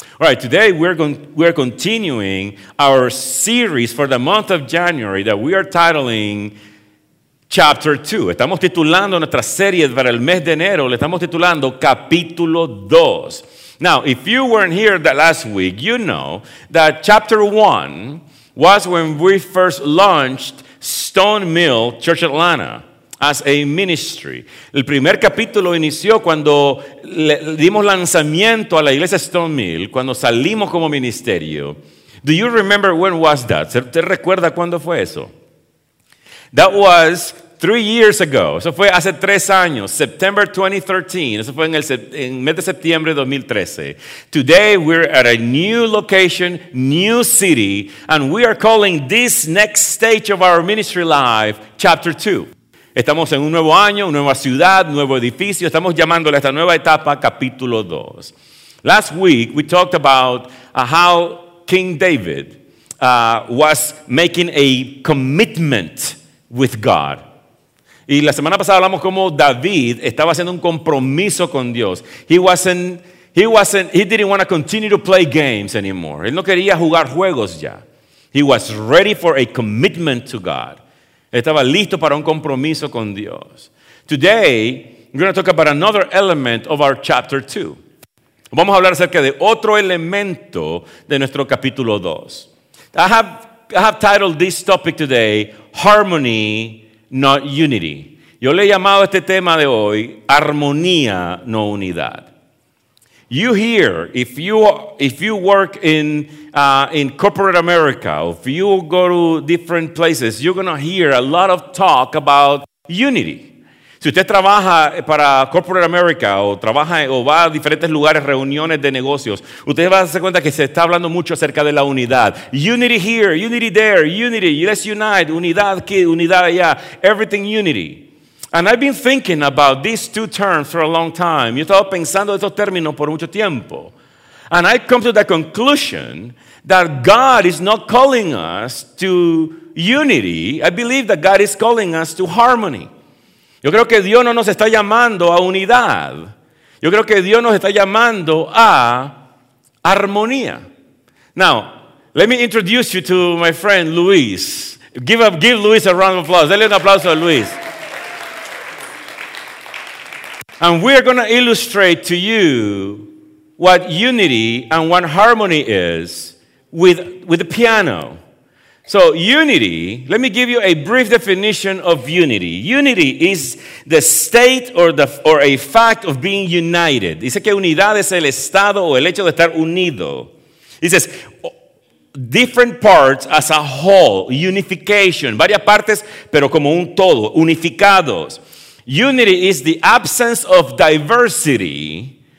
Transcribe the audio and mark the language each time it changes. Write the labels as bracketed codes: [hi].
[en] All right, today we're continuing our series for the month of January that we are titling Chapter 2. [es] Estamos titulando nuestra serie para el mes de enero, le estamos titulando Capítulo 2. [en] Now, if you weren't here that last week, you know that Chapter 1 was when we first launched Stone Mill Church Atlanta as a ministry. [es] El primer capítulo inició cuando dimos lanzamiento a la iglesia Stone Mill, cuando salimos como ministerio. [en] Do you remember when was that? [es] ¿Te recuerda cuándo fue eso? [en] That was 3 years ago. [es] Eso fue hace 3 años, [en] September 2013. [es] Eso fue en mes de septiembre de 2013. [en] Today we're at a new location, new city, and we are calling this next stage of our ministry life Chapter 2. [es] Estamos en un nuevo año, una nueva ciudad, nuevo edificio. Estamos llamándole a esta nueva etapa Capítulo 2. [en] Last week we talked about how King David was making a commitment with God. [es] Y la semana pasada hablamos cómo David estaba haciendo un compromiso con Dios. [en] He didn't want to continue to play games anymore. [es] Él no quería jugar juegos ya. [en] He was ready for a commitment to God. [es] Estaba listo para un compromiso con Dios. [en] Today, we're going to talk about another element of our chapter 2. [es] Vamos a hablar acerca de otro elemento de nuestro capítulo 2. [en] I have titled this topic today, Harmony, Not Unity. [es] Yo le he llamado a este tema de hoy, Armonía, No Unidad. [en] You hear, if you work in corporate America, if you go to different places, you're going to hear a lot of talk about unity. [es] Si usted trabaja para corporate America o trabaja o va a diferentes lugares, reuniones de negocios, usted va a darse cuenta que se está hablando mucho acerca de la unidad. [en] Unity here, unity there, unity, let's unite, [es] unidad aquí, unidad allá, [en] everything unity. And I've been thinking about these two terms for a long time. [es] Yo estaba pensando estos términos por mucho tiempo. [en] And I come to the conclusion that God is not calling us to unity. I believe that God is calling us to harmony. [es] Yo creo que Dios no nos está llamando a unidad. Yo creo que Dios nos está llamando a armonía. [en] Now, let me introduce you to my friend Luis. Give Luis a round of applause. [es] Dale un aplauso a Luis. [en] And we are going to illustrate to you what unity and what harmony is with the piano. So unity, let me give you a brief definition of unity. Unity is the state or a fact of being united. [es] Dice que unidad es el estado o el hecho de estar unido. [en] He says different parts as a whole, unification, [es] varias partes, pero como un todo, unificados. [en] Unity is the absence of diversity.